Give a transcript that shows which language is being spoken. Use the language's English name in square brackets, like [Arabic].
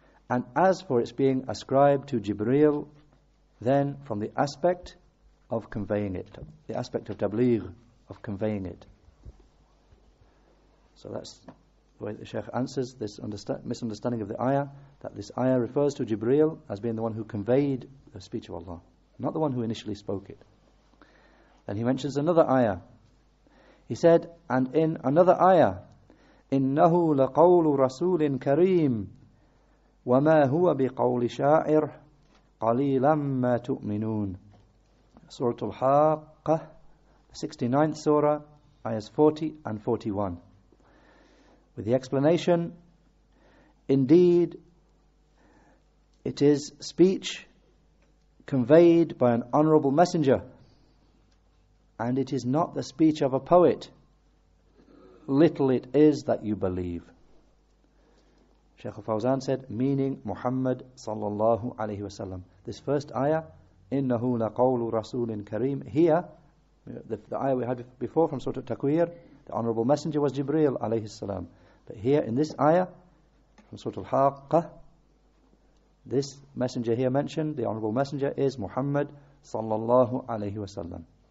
[English] And as for its being ascribed to Jibreel, then from the aspect of conveying it, the aspect of tabligh, of conveying it. So that's the way the Shaykh answers this misunderstanding of the ayah, that this ayah refers to Jibreel as being the one who conveyed the speech of Allah, not the one who initially spoke it. Then he mentions another ayah. He said, and in another ayah, [Arabic] إِنَّهُ لَقَوْلُ رَسُولٍ كَرِيمٍ وَمَا هُوَ بِقَوْلِ شَاعِرٍ قَلِيلًا مَا تُؤْمِنُونَ. [English] Surah Al-Haqqah, 69th Surah, Ayahs 40 and 41. With the explanation, indeed, it is speech conveyed by an honorable messenger, and it is not the speech of a poet. Little it is that you believe. Shaykh al-Fawzan said, meaning Muhammad sallallahu alayhi wasallam. This first ayah, [Arabic] إِنَّهُ لَقَوْلُ رَسُولٍ كَرِيمٍ. [English] Here, the ayah we had before from Surah Al-Takwir, the Honorable Messenger was Jibreel alayhi salam. But here in this ayah, from Surah Al-Haqqah, this messenger here mentioned, the Honorable Messenger, is Muhammad sallallahu alayhi wasallam.